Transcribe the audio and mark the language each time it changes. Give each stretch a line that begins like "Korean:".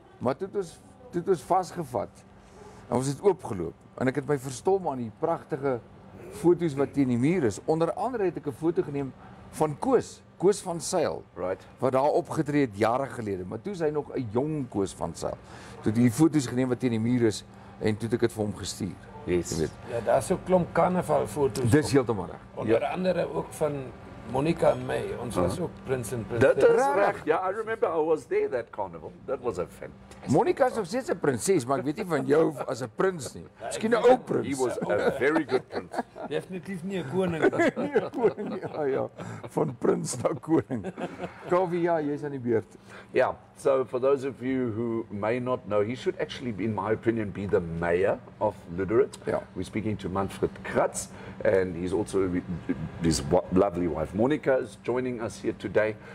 Afrikaans: Maar toe het ons vasgevat. En ons het oopgeloop en ek het my verstom aan die pragtige foto's wat teen die muur is. Onder andere het ek 'n foto geneem van Koos van Sail,
English: right?
Afrikaans: Wat daar opgetree het jare gelede, maar toe is hy nog 'n jong Koos van Sail. Toe die foto's geneem wat teen die muur is. En toe het ek dit vir hom gestuur. Yes. Jy weet. Ja, daar is so klomp carnaval foto's. Dis heeltemal reg. Onder andere ook van Monica en my. Ons was ook prins en prinses. Dit is reg.
English: Ja, I remember I was there that carnival. That was a fantastic.
Afrikaans: Monica is nog steeds 'n prinses, maar ek weet nie van jou as 'n prins nie. Miskien 'n ou prins.
English: He was a very good prince.
Afrikaans: Definitief nie 'n koning nie. Ja. Van prins na koning. Kaffie, ja, jy's aan die beurt. Ja.
English: So for those of you who may not know, he should actually, in my opinion, be the mayor of Luderitz. Yeah. We're speaking to Manfred Kratz, and he's also, his lovely wife Monica is joining us here today.